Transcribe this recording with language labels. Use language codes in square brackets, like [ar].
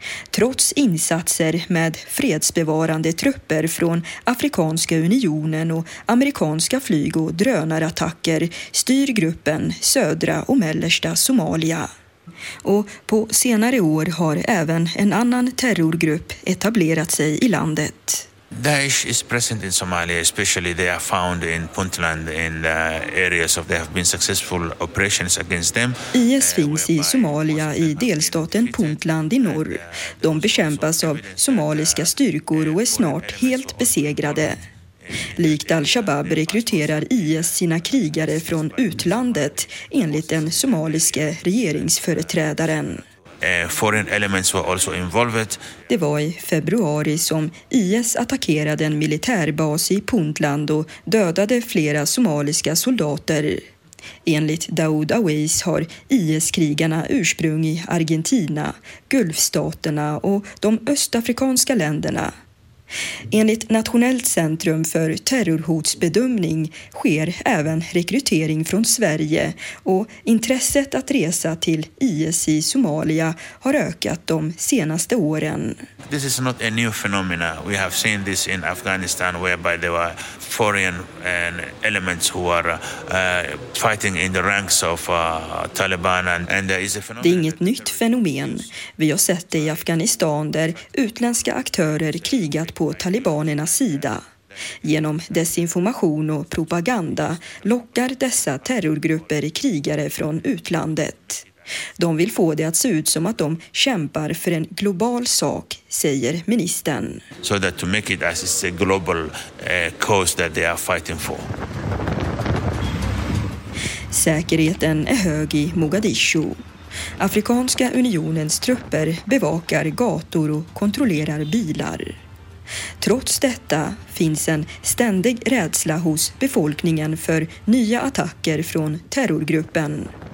[sv] Trots insatser med fredsbevarande trupper från Afrikanska unionen och amerikanska flyg- och drönarattacker styr gruppen södra och mellersta Somalia. Och på senare år har även en annan terrorgrupp etablerat sig i landet. [en] Daesh is present in Somalia, especially they are found in Puntland in areas of they have been successful operations against them. [sv] IS finns i Somalia i delstaten Puntland i norr. De bekämpas av somaliska styrkor och är snart helt besegrade. Likt Al-Shabaab rekryterar IS sina krigare från utlandet enligt den somaliska regeringsföreträdaren. [en] Foreign elements were also involved. [sv] Det var i februari som IS attackerade en militärbas i Puntland och dödade flera somaliska soldater. Enligt Daoud Awais har IS-krigarna ursprung i Argentina, Gulfstaterna och de östafrikanska länderna. Enligt Nationellt centrum för terrorhotsbedömning sker även rekrytering från Sverige och intresset att resa till IS i Somalia har ökat de senaste åren. [en] This is not a new phenomenon. We have seen this in Afghanistan whereby there were foreign elements who are fighting in the ranks of Taliban and there is a phenomenon. [sv] Det är inget nytt fenomen. Vi har sett det i Afghanistan där utländska aktörer krigat på talibanernas sida. Genom desinformation och propaganda lockar dessa terrorgrupper krigare från utlandet. De vill få det att se ut som att de kämpar för en global sak, säger ministern. [en] So that to make it as it's a global cause that they are fighting for. [sv] Säkerheten är hög i Mogadishu. Afrikanska unionens trupper bevakar gator och kontrollerar bilar. Trots detta finns en ständig rädsla hos befolkningen för nya attacker från terrorgruppen.